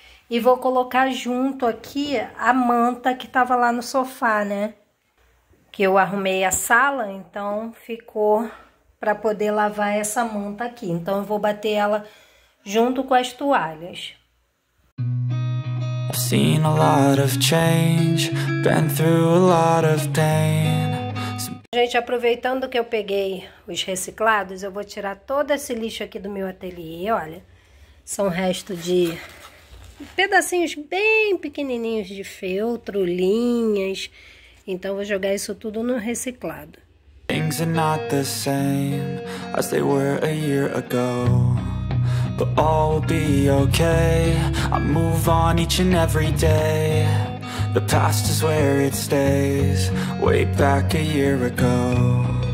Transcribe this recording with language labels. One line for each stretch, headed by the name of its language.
Portuguese: E vou colocar junto aqui a manta que tava lá no sofá, né? Que eu arrumei a sala, então ficou para poder lavar essa manta aqui. Então eu vou bater ela junto com as toalhas.
English: I've seen a lot of change, been through a lot of pain.
Portuguese: Gente, aproveitando que eu peguei os reciclados, eu vou tirar todo esse lixo aqui do meu ateliê, olha. São resto de pedacinhos bem pequenininhos de feltro, linhas. Então vou jogar isso tudo no reciclado.
English: Things are not the same as they were a year ago. But all will be okay. I move on each and every day. The past is where it stays, way back a year ago.